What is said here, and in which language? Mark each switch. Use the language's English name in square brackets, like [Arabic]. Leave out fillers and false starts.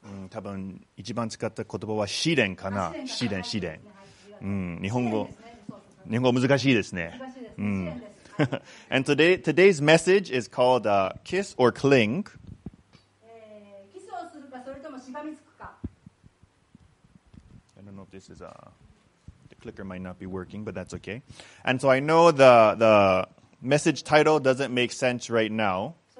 [Japanese] 多分一番使った言葉は試練かな。試練、試練。日本語難しいですね。 [English] And today's message is called Kiss or Cling. [Japanese] キスをするかそれともしがみつくか。 [English] I don't know if this is the clicker might not be working, but that's okay. And so I know the message title doesn't make sense right now.